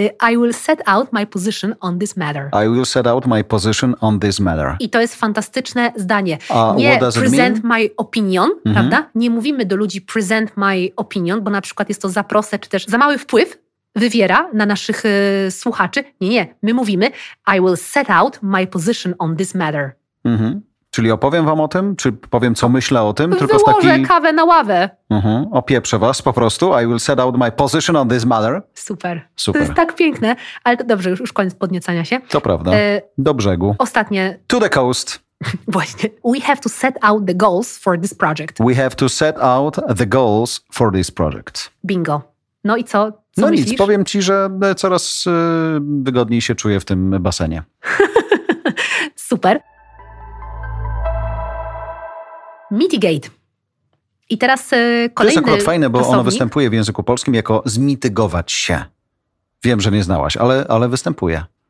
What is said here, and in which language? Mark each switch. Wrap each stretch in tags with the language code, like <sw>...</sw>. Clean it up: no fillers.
<en>I will set out my position on this matter. I will set out my position on this matter.</en> <pl>I to jest fantastyczne zdanie. Nie</pl> <en>present my opinion,</en> <pl>mm-hmm. prawda? Nie mówimy do ludzi</pl> <en>present my opinion,</en> <pl>bo na przykład jest to za proste, czy też za mały wpływ wywiera na naszych słuchaczy. Nie, nie. My mówimy</pl> <en>I will set out my position on this matter.</en> <pl>Mhm. Czyli opowiem wam o tym? Czy powiem, co myślę o tym? Tylko wyłożę w taki... kawę na ławę. Mhm. Opieprzę was po prostu.</pl> <en>I will set out my position on this matter. Super. Super.</en> <pl>To jest tak piękne. Ale to dobrze, już koniec podniecania się. To prawda. Do brzegu. Ostatnie.</pl> <en>To the coast.</en> <pl>Właśnie.</pl> <en>We have to set out the goals for this project. We have to set out the goals for this project.</en> <pl>Bingo. No i co? No myślisz? Nic, powiem ci, że coraz wygodniej się czuję w tym basenie. Super. Mitigate. I teraz kolejny. To jest akurat fajne, bo czasownik. Ono występuje w języku polskim jako zmitygować się. Wiem, że nie znałaś, ale występuje.</pl>